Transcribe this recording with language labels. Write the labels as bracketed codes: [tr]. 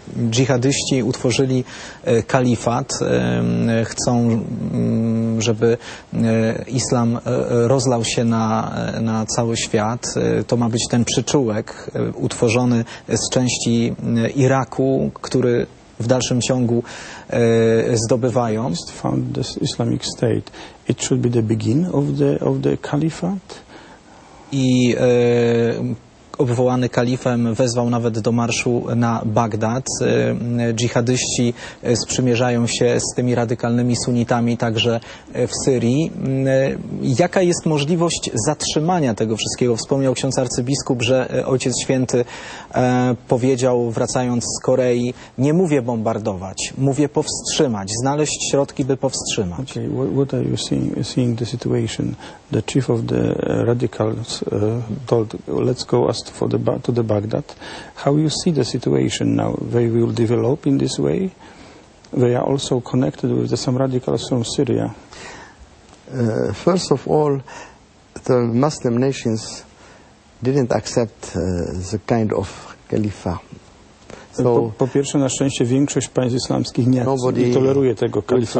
[pl] Dżihadyści utworzyli kalifat, chcą, żeby islam rozlał się na cały świat. To ma być ten przyczółek utworzony z części Iraku, który w dalszym ciągu zdobywają. [en] Found this Islamic State. It should be the begin of the caliphate. [pl] I obwołany kalifem wezwał nawet do marszu na Bagdad. Dżihadyści sprzymierzają się z tymi radykalnymi sunnitami także w Syrii. Jaka jest możliwość zatrzymania tego wszystkiego? Wspomniał ksiądz arcybiskup, że Ojciec Święty powiedział, wracając z Korei, nie mówię bombardować, mówię powstrzymać, znaleźć środki, by powstrzymać. [en] Okay. What are you seeing the situation? The chief of the radicals told, let's go to the Baghdad. How you see the situation now? They will develop in this way. They are also connected with some radicals from Syria. First of all, the Muslim nations didn't accept the kind of khalifa. [pl] So po pierwsze, na szczęście większość państw islamskich nie toleruje tego kalifa.